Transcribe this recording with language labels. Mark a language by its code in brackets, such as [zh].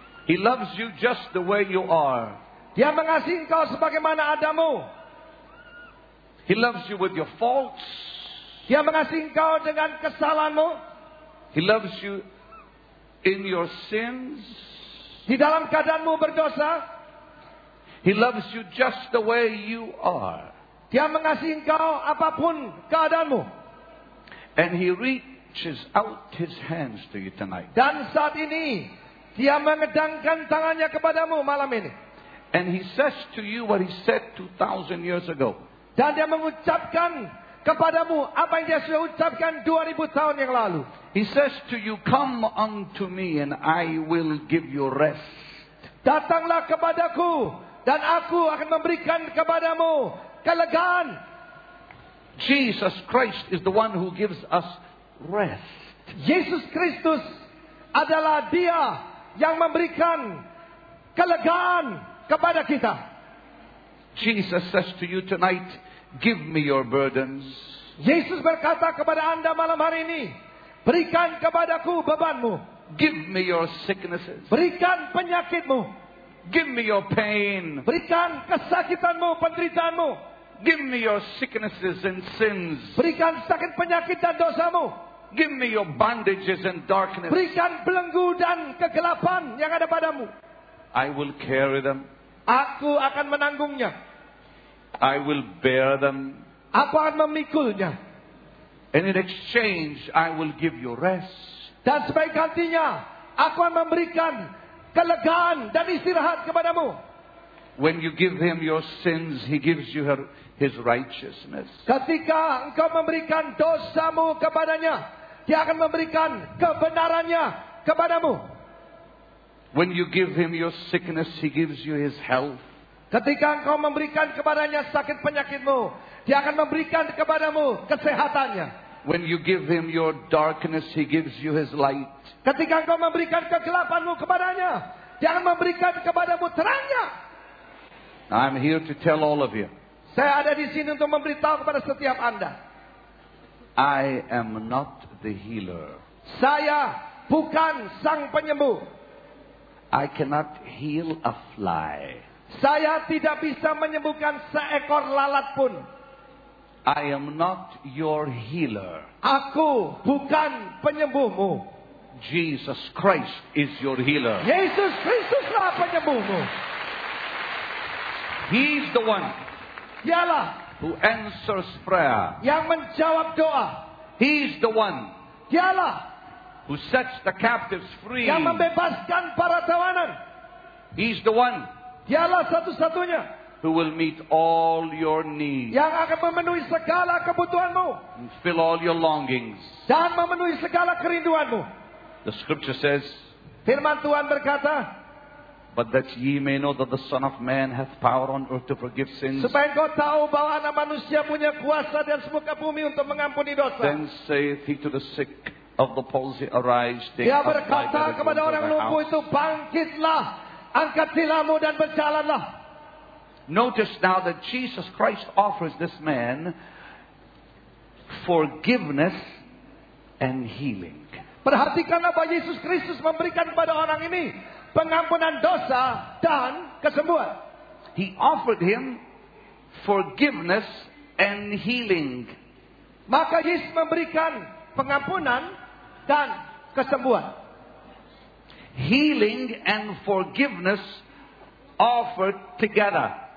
[en] He loves you just the way you are. [id] Dia mengasihi engkau sebagaimana adamu. [en] He loves you with your faults. [id] Dia mengasihi engkau dengan kesalahanmu. [en] He loves you in your sins. [id] Di dalam keadaanmu berdosa. [en] He loves you just the way you are. [id] Dia mengasihi engkau apapun keadaanmu. [en] And he reaches out his hands to you tonight. [id] Dan saat ini dia mengedangkan tangannya kepadamu malam ini. [en] And he says to you what he said 2000 years ago. [id] Dan dia mengucapkan kepadamu apa yang dia sudah ucapkan 2000 tahun yang lalu. [en] He says to you, come unto me and I will give you rest. [id] Datanglah kepadaku dan aku akan memberikan kepadamu kelegaan. [en] Jesus Christ is the one who gives us rest. [id] Yesus Kristus adalah dia yang memberikan kelegaan kepada kita. [en] Jesus says to you tonight, give me your burdens. [id] Yesus berkata kepada Anda malam hari ini, berikan kepadaku bebanmu. [en] Give me your sicknesses. [id] Berikan penyakitmu. [en] Give me your pain. [id] Berikan kesakitanmu, penderitaanmu. [en] Give me your sicknesses and sins. [id] Berikan sakit penyakit dan dosamu. [en] Give me your bandages and darkness. [id] Berikan belenggu dan kegelapan yang ada padamu. [en] I will carry them. [id] Aku akan menanggungnya. [en] I will bear them. [id] Aku akan memikulnya. [en] And in exchange, I will give you rest. [id] Dan sebagai gantinya, aku akan memberikan kelegaan dan istirahat kepadamu. [en] When you give him your sins, he gives you his righteousness. [id] Ketika engkau memberikan dosamu kepadanya, dia akan memberikan kebenarannya kepadamu. [en] When you give him your sickness, he gives you his health. [id] Ketika engkau memberikan kepadanya sakit penyakitmu, dia akan memberikan kepadamu kesehatannya. [en] When you give him your darkness, he gives you his light. [id] Ketika engkau memberikan kegelapanmu kepadanya, dia akan memberikan kepadamu terangnya. [en] I'm here to tell all of you. [id] Saya ada di sini untuk memberitahu kepada setiap Anda. [en] I am not the healer. [id] Saya bukan sang penyembuh. [en] I cannot heal a fly. [id] Saya tidak bisa menyembuhkan seekor lalat pun. [en] I am not your healer. [id] Aku bukan penyembuhmu. [en] Jesus Christ is your healer. [id] Yesus Kristuslah penyembuhmu. [en] He's the one. [id] Dialah [en] who answers prayer. [id] Yang menjawab doa. [en] He's the one. [id] Dialah [en] who sets the captives free. [id] Yang membebaskan para tawanan. [en] He's the one. [id] Dialah satu-satunya [en] who will meet all your needs. [id] Yang akan memenuhi segala kebutuhanmu. [en] And fill all your longings. [id] Dan memenuhi segala kerinduanmu. [en] The scripture says, [id] firman Tuhan berkata, [en] but that ye may know that the Son of Man hath power on earth to forgive sins. [id] Supaya engkau tahu bahwa anak manusia punya kuasa di atas muka bumi untuk mengampuni dosa. [en] Then saith he to the sick of the palsy, arise, take up thy bed. [id] Dia berkata kepada orang lumpuh itu, bangkitlah, angkat tilammu dan berjalanlah. [en] Notice now that Jesus Christ offers this man forgiveness and healing. [id] Perhatikanlah bahwa Yesus Kristus memberikan kepada orang ini pengampunan dosa dan kesembuhan. [en] He offered him forgiveness and healing. [id] Maka Yesus memberikan pengampunan dan kesembuhan. [en] Healing and forgiveness offered together.